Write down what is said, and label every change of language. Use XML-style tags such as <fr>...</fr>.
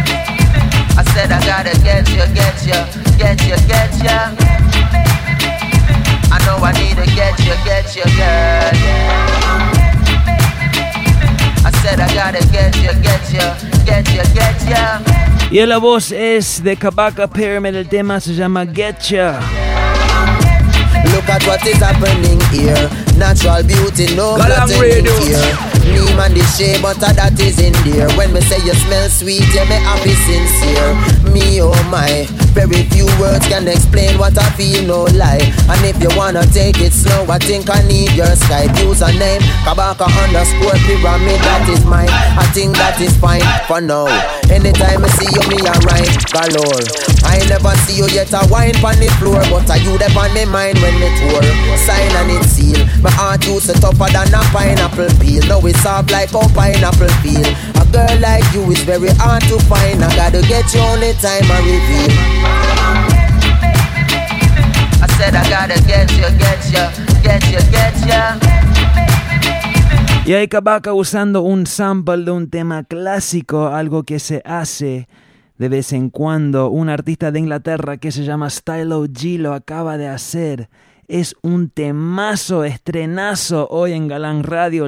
<en>baby, baby, I said I gotta get you, get you, get you, get you. I know I need to get you, girl, yeah. I said I gotta get you, get you, get you, get you.</en> <es>Y la voz es de Kabaka Pyramid, el tema se llama Getcha.</es> <en>Look at what is happening here. Natural beauty, no blotting in here. Me man the shea butter that is in there. When me say you smell sweet, yeah me happy sincere. Me oh my, very few words can explain what I feel, no lie. And if you wanna take it slow, I think I need your Skype username. Kabaka underscore pyramid, that is mine. I think that is fine for now. Anytime I see you, me a rhyme galore. I ain't never see you yet a wine pon the floor. But I you dep on me mind when me tour. Sign and it's seal. My heart used to tougher than a pineapple peel. Now it's soft like a pineapple peel. A girl like you is very hard to find. I gotta get you only time I reveal. I said I gotta get you, get you, get you, get you.</en> <es>Y ahí Kabaka usando un sample de un tema clásico, algo que se hace de vez en cuando. Un artista de Inglaterra que se llama Stylo G lo acaba de hacer. Es un temazo, estrenazo hoy en Galán Radio.</es>